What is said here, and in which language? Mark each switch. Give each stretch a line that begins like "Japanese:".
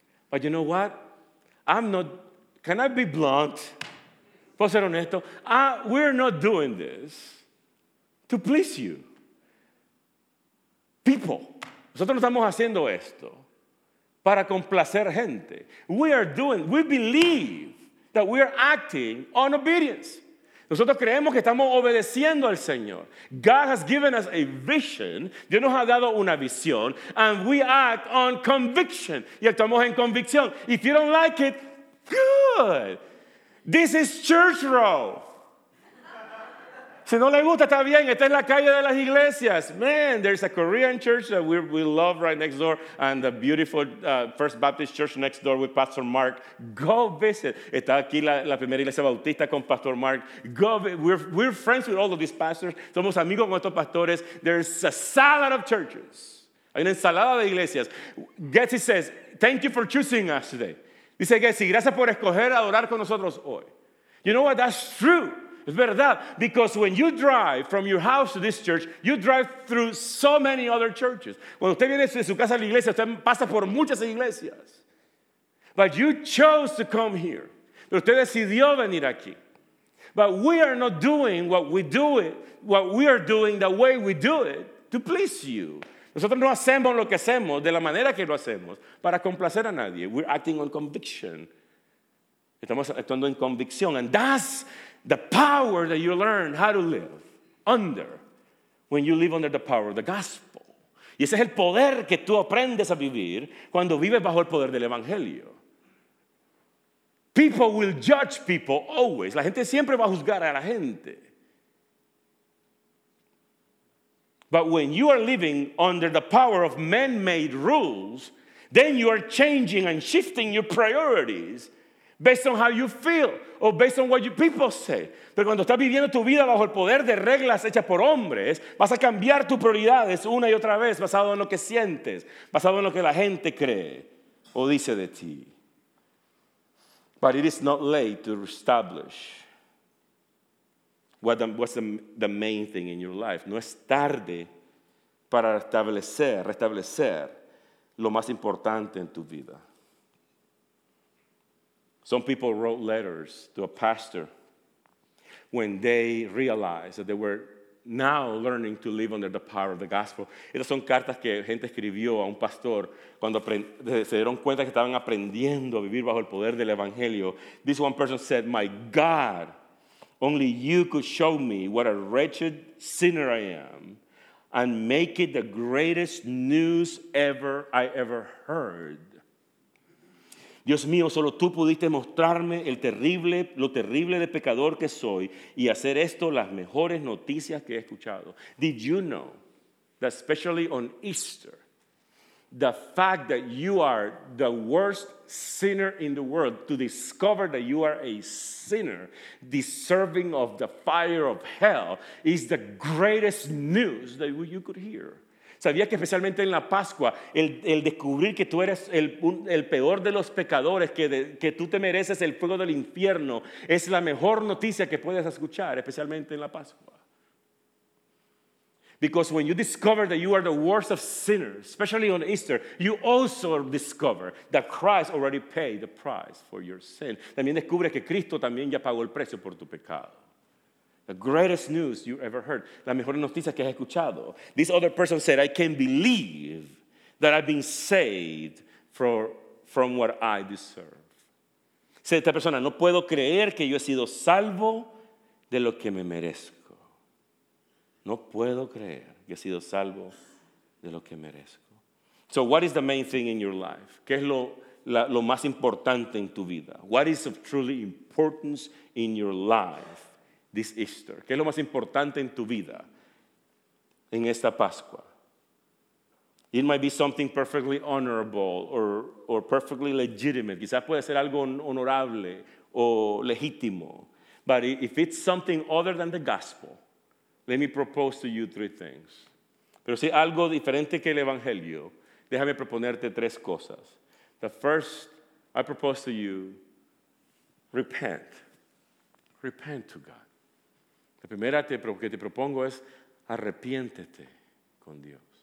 English: But you know what? I'm not... Can I be blunt?
Spanish: ¿Puedo ser honesto?
English: We're not doing this to please you. People.
Spanish: Nosotros no estamos haciendo esto para complacer gente.
English: We believe that we are acting on obedience.
Spanish: Nosotros creemos que estamos obedeciendo al Señor.
English: God has given us a vision.
Spanish: Dios nos ha dado una visión.
English: And we act on conviction.
Spanish: Y actuamos en convicción.
English: If you don't like it, good. This is church row.
Spanish: Si no le gusta, está bien. Esta es la calle de las iglesias.
English: Man, there's a Korean church that we love right next door, and the beautiful First Baptist Church next door with Pastor Mark. Go visit.
Spanish: Está aquí la primera iglesia bautista con Pastor Mark.
English: Go. We're friends with all of these pastors.
Spanish: Somos amigos con estos pastores.
English: There's a salad of churches.
Spanish: Hay una ensalada de iglesias.
English: Getty says, "Thank you for choosing us today."
Spanish: Dice que sí, gracias por escoger adorar con nosotros hoy.
English: You know what? That's true.
Spanish: Es verdad.
English: Because when you drive from your house to this church, you drive through so many other churches.
Spanish: Cuando usted viene de su casa a la iglesia, usted pasa por muchas iglesias.
English: But you chose to come here.
Spanish: Pero usted decidió venir aquí.
English: But we are not doing what we are doing the way we do it to please you.
Spanish: Nosotros no hacemos lo que hacemos de la manera que lo hacemos para complacer a nadie.
English: We're acting on conviction.
Spanish: Estamos actuando en convicción.
English: And that's the power that you learn how to live under when you live under the power of the gospel.
Spanish: Y ese es el poder que tú aprendes a vivir cuando vives bajo el poder del evangelio.
English: People will judge people always.
Spanish: La gente siempre va a juzgar a la gente.
English: But when you are living under the power of man-made rules, then you are changing and shifting your priorities based on how you feel or based on what you people say.
Spanish: Pero cuando estás viviendo tu vida bajo el poder de reglas hechas por hombres, vas a cambiar tus prioridades una y otra vez basado en lo que sientes, basado en lo que la gente cree o dice de ti.
English: But it is not late to establish what's the main thing in your life.
Spanish: No es tarde para restablecer lo más importante en tu vida.
English: Some people wrote letters to a pastor when they realized that they were now learning to live under the power of the gospel.
Spanish: Esas son cartas que gente escribió a un pastor cuando se dieron cuenta que estaban aprendiendo a vivir bajo el poder del evangelio.
English: This one person said, "My God, only you could show me what a wretched sinner I am and make it the greatest news I ever heard."
Spanish: Dios mío, solo tú pudiste mostrarme lo terrible de pecador que soy y hacer esto las mejores noticias que he escuchado.
English: Did you know that especially on Easter, the fact that you are the worst sinner in the world, to discover that you are a sinner deserving of the fire of hell, is the greatest news that you could hear?
Spanish: Sabía que especialmente en la Pascua, el descubrir que tú eres el peor de los pecadores, que tú te mereces el fuego del infierno, es la mejor noticia que puedes escuchar, especialmente en la Pascua.
English: Because when you discover that you are the worst of sinners, especially on Easter, you also discover that Christ already paid the price for your sin.
Spanish: También descubres que Cristo también ya pagó el precio por tu pecado.
English: The greatest news you ever heard.
Spanish: La mejor noticia que has escuchado.
English: This other person said, "I can't believe that I've been saved from what I deserve."
Spanish: Dice esta persona, no puedo creer que yo he sido salvo de lo que me merezco. No puedo creer que he sido salvo de lo que merezco.
English: So what is the main thing in your life?
Spanish: ¿Qué es lo más importante en tu vida?
English: What is of truly importance in your life? This Easter.
Spanish: ¿Qué es lo más importante en tu vida? En esta Pascua.
English: It might be something perfectly honorable or perfectly legitimate.
Spanish: Quizás puede ser algo honorable o legítimo.
English: But if it's something other than the gospel, let me propose to you three things.
Spanish: Pero si algo diferente que el evangelio, déjame proponerte tres cosas.
English: The first, I propose to you, repent. Repent to God.
Spanish: La primera que te propongo es arrepiéntete con Dios.